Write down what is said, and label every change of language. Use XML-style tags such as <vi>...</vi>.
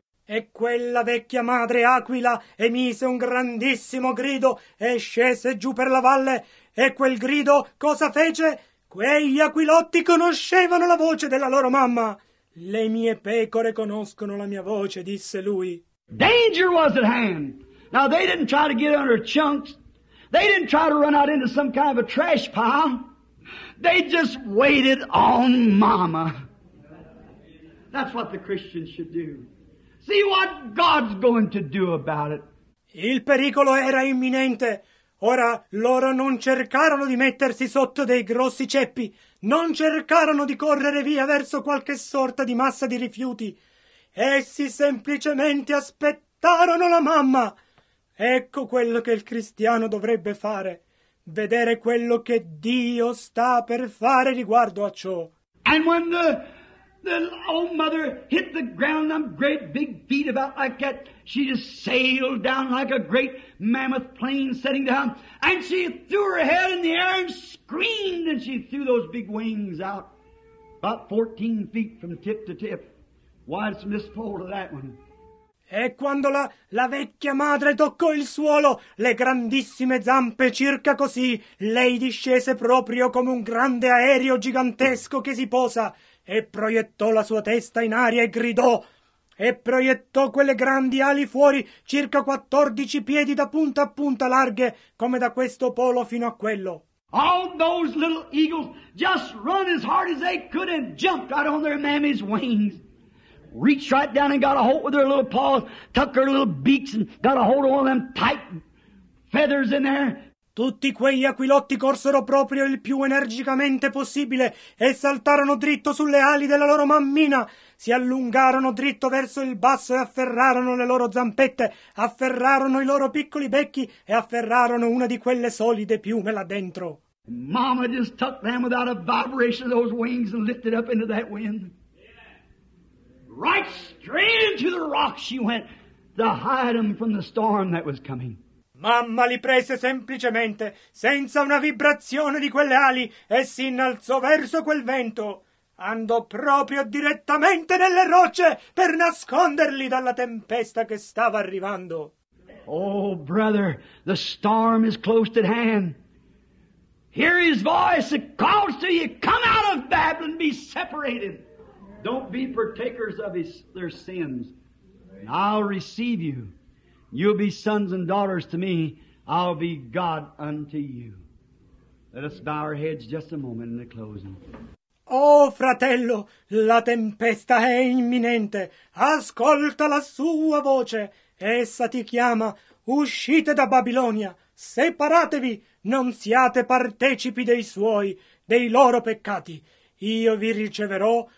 <it>E quella vecchia madre aquila emise un grandissimo grido e scese giù per la valle. E quel grido cosa fece? Quegli aquilotti conoscevano la voce della loro mamma. Le mie pecore conoscono la mia voce, disse lui.</it> <en>Danger was at hand. Now they didn't try to get under chunks. They didn't try to run out into some kind of a trash pile. They just waited on mama. That's what the Christian should do. See what God's going to do about it.</en> <it>Il pericolo era imminente. Ora loro non cercarono di mettersi sotto dei grossi ceppi. Non cercarono di correre via verso qualche sorta di massa di rifiuti. Essi semplicemente aspettarono la mamma. Ecco quello che il cristiano dovrebbe fare. Vedere quello che Dio sta per fare riguardo a ciò.</it> <en>And when the old mother hit the ground, them great big feet about like that, she just sailed down like a great mammoth plane setting down. And she threw her head in the air and screamed, and she threw those big wings out about 14 feet from tip to tip. Why it's misfolded that one.</en> <it>E quando la vecchia madre toccò il suolo, le grandissime zampe circa così, lei discese proprio come un grande aereo gigantesco che si posa e proiettò la sua testa in aria e gridò e proiettò quelle grandi ali fuori circa 14 piedi da punta a punta larghe come da questo polo fino a quello.</it> <en>All those little eagles just run as hard as they could and jumped out on their mammy's wings. Reached right down and got a hold with their little paws, tucked their little beaks and got a hold of one of them tight feathers in there.</en> <it>Tutti quegli aquilotti corsero proprio il più energicamente possibile e saltarono dritto sulle ali della loro mammina. Si allungarono dritto verso il basso e afferrarono le loro zampette, afferrarono i loro piccoli becchi e afferrarono una di quelle solide piume là dentro.</it> <en>Mama just tucked them without a vibration of those wings and lifted up into that wind. Right straight into the rock she went to hide them from the storm that was coming.</en> <it>Mamma li prese semplicemente, senza una vibrazione di quelle ali, e si innalzò verso quel vento. Andò proprio direttamente nelle rocce per nasconderli dalla tempesta che stava arrivando.</it> <en>Oh, brother, the storm is close at hand. Hear His voice, it calls to you, come out of Babylon, be separated. Don't be partakers of their sins. And I'll receive you. You'll be sons and daughters to me. I'll be God unto you. Let us bow our heads just a moment in the closing.</en> <it>Oh, fratello, la tempesta è imminente. Ascolta la sua voce. Essa ti chiama. Uscite da Babilonia. Separatevi. Non siate partecipi dei loro peccati. Io vi riceverò.</it>